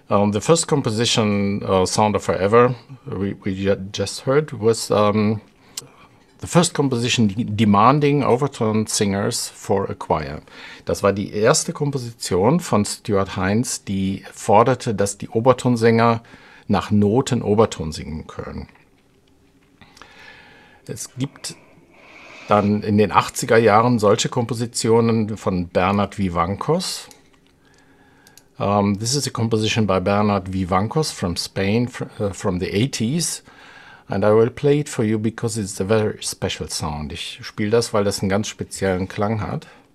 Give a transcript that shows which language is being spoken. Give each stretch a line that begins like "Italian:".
English: The first composition, Sound of Forever, we just heard, was the first composition demanding overtone singers for a choir.
German: Das war die erste Komposition von Stuart Hines, die forderte, dass die Obertonsänger nach Noten Oberton singen können. Es gibt dann in den 80er Jahren solche Kompositionen von Bernard Vivancos.
English: This is a composition by Bernard Vivancos from Spain from the 80s, and I will play it for you because it's a very special sound.
German: Ich spiele das, weil das einen ganz speziellen Klang hat.